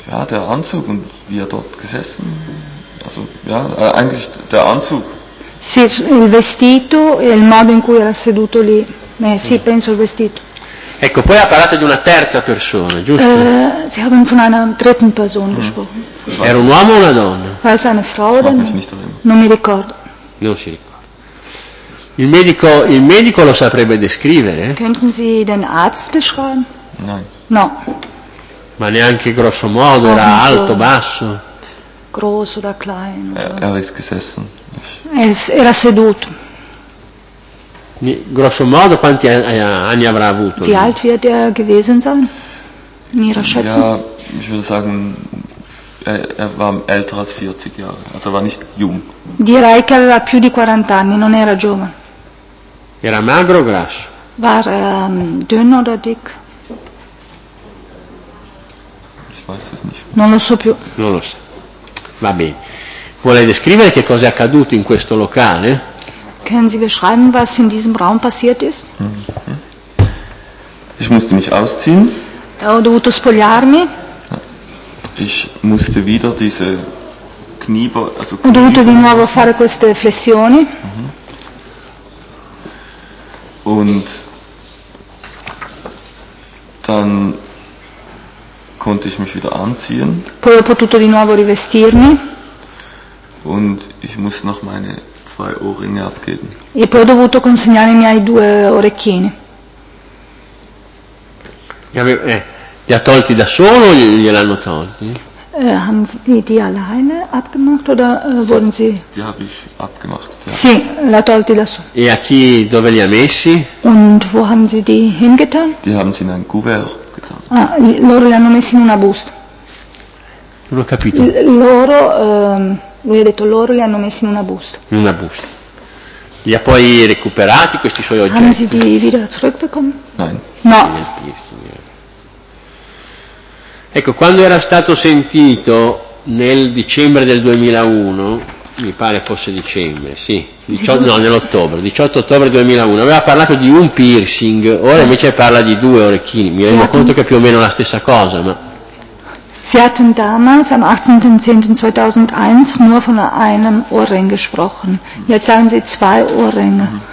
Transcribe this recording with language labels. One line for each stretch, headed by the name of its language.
German: Der Anzug und wie dort gesessen, also ja, eigentlich der Anzug.
Italian: Sì, il vestito e il modo in cui era seduto lì. Sì, penso il vestito. Ecco, poi ha parlato di una terza persona, giusto?
German: Sie haben von einer dritten Person gesprochen.
Italian: Era un uomo o una donna?
German: War es eine Frau oder ein Mann?
Italian: Non mi ricordo. Non si ricorda. Il medico lo saprebbe descrivere?
German: Könnten Sie den Arzt beschreiben?
Italian: No. Ma neanche grosso modo, era alto, basso?
German: Groß oder klein? Er ist gesessen.
Italian: Era seduto. Grosso modo quanti anni avrà avuto?
German: Wie alt wird er gewesen sein? in ihrer Schätzung? Ja, ich würde sagen, er war älter als 40 Jahre, also war nicht jung.
Italian: Direi che aveva più di 40 anni, non era giovane. Era magro o grasso?
German: War dünn oder dick? Ich weiß es nicht.
Italian: Non lo so più. Non lo so. Va bene. Vuole descrivere che cosa è accaduto in questo locale?
German: Können Sie beschreiben, was in diesem Raum passiert ist? Ich musste mich ausziehen.
Italian: Ho dovuto spogliarmi.
German: Ich musste wieder diese Knie, also
Italian: ho dovuto di nuovo fare queste flessioni.
German: Und dann konnte ich mich wieder anziehen.
Italian: Poi ho potuto di nuovo rivestirmi.
German: Und ich musste noch meine zwei Ohrringe abgeben.
Italian: E poi ho dovuto consegnare i miei due orecchini. Li ha tolti da solo o gliel'hanno tolti?
German: Haben Sie die alleine abgemacht oder wurden Sie? Die habe ich abgemacht. Ja.
Italian: Sì, l'ha tolti da solo. E a chi, dove li ha messi?
German: Und wo haben Sie die hingetan? Die haben sie in ein Couvert getan.
Italian: Ah, loro li hanno messi in una busta. Non ho capito. Lui ha detto loro li hanno messi in una busta. In una busta. Li ha poi recuperati questi suoi oggetti?
German: Haben Sie die wieder zurückbekommen? Nein.
Italian: No. Ecco, quando era stato sentito nel dicembre del 2001, mi pare fosse dicembre, sì, nell'ottobre, 18 ottobre 2001, aveva parlato di un piercing, ora invece parla di due orecchini, mi rendo conto che è più o meno la stessa cosa, ma...
German: Sie hatten damals, am 18.10.2001, nur von einem Ohrring gesprochen. Jetzt sagen Sie zwei Ohrringe.